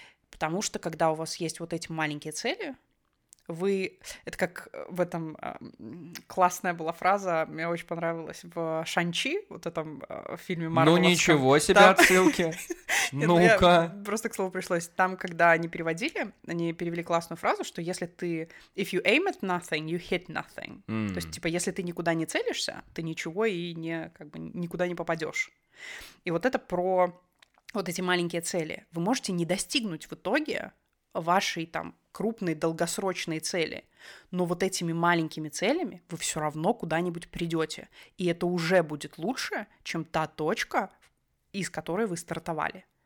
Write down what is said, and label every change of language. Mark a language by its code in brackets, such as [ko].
[ru] Потому что когда у вас есть вот эти маленькие цели, вы... Это как в этом... Классная была фраза, мне очень понравилась, в «Шан-Чи», вот этом фильме Марвеловском. Ну ничего себе там... отсылки! Ну-ка! Просто к слову пришлось. Там, когда они переводили, они перевели классную фразу, что если ты... [en] If you aim at nothing, you hit nothing. Mm. [ru] То есть, типа, если ты никуда не целишься, ты ничего и не, как бы, никуда не попадешь. И вот это про вот эти маленькие цели. Вы можете не достигнуть в итоге вашей там крупные долгосрочные цели, но вот этими маленькими целями вы все равно куда-нибудь придете, и это уже будет лучше, чем та точка, из которой вы стартовали.